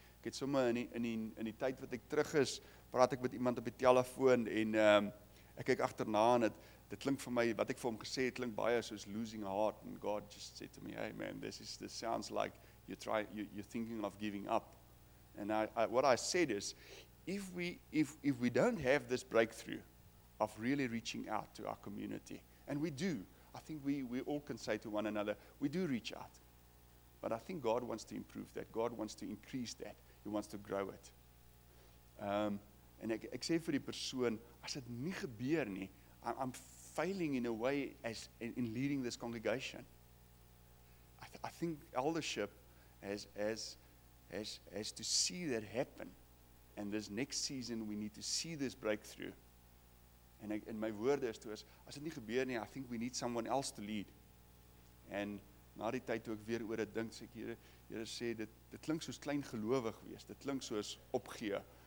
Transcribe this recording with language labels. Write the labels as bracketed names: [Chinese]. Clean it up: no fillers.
[Afrikaans] Ek het sommer in die tyd wat ek terug is, praat ek met iemand op die telefoon en ek kyk agterna en dit klink vir my, wat ek vir hom gesê het, klink baie soos losing heart. [English] And God just said to me, hey man, this sounds like you're thinking of giving up. And what I said is, If we don't have this breakthrough of really reaching out to our community, and we do, I think we all can say to one another, we do reach out. But I think God wants to improve that. God wants to increase that. He wants to grow it. [Afrikaans] En ek sê vir die persoon, as dit nie gebeur nie, [English] I'm failing in a way as in leading this congregation. I think eldership has to see that happen. And this next season, we need to see this breakthrough. And my woorde is to us, [Afrikaans] as dit nie gebeur nie, [English] I think we need someone else to lead. [Afrikaans] En na die tyd toe ek weer oor dit dink, sê ek, Here sê, dit klink soos klein gelowig wees, dit klink soos opgee.